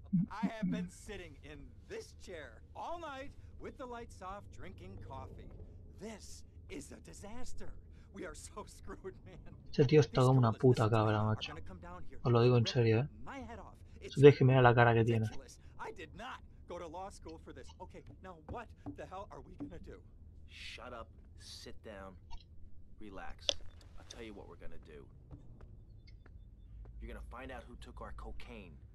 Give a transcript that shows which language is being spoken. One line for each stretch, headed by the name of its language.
English: I have been sitting in this chair all night with the lights off, drinking coffee. This is a disaster. We are so screwed, man.
Spanish: Ese tío está como una puta cabra, macho. Os lo digo en serio, ¿eh? Tienes que mirar la cara que tiene.
English: I did not go to law school for this. Okay, now what the hell are we gonna do? Shut up, sit down, relax. I'll tell you what we're gonna do. You're gonna find out who took our cocaine.